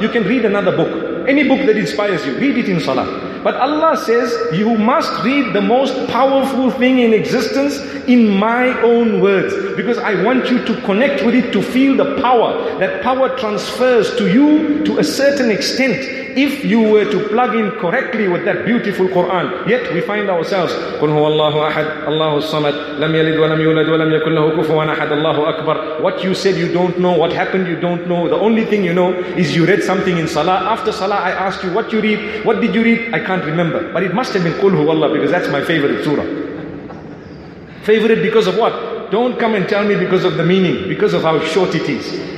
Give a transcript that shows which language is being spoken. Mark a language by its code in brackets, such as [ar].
[en] You can read another book. Any book that inspires you, read it in Salah. But Allah says, you must read the most powerful thing in existence in my own words. Because I want you to connect with it, to feel the power. That power transfers to you to a certain extent. If you were to plug in correctly with that beautiful Quran, yet we find ourselves, [ar] قُلْ هُوَ اللَّهُ أَحَدْ اللَّهُ الصَّمَدْ لَمْ يَلِدْ وَلَمْ يُولَدْ وَلَمْ يَكُنْ لَهُ كُفُوًا أَحَدَ اللَّهُ أَكْبَرُ. [en] What you said you don't know, what happened you don't know. The only thing you know is you read something in Salah. After Salah I asked you what you read, what did you read? I can't remember. But it must have been [ar] قُلْ هُوَ اللَّهُ, [en] because that's my favorite surah. Favorite because of what? Don't come and tell me because of the meaning, because of how short it is.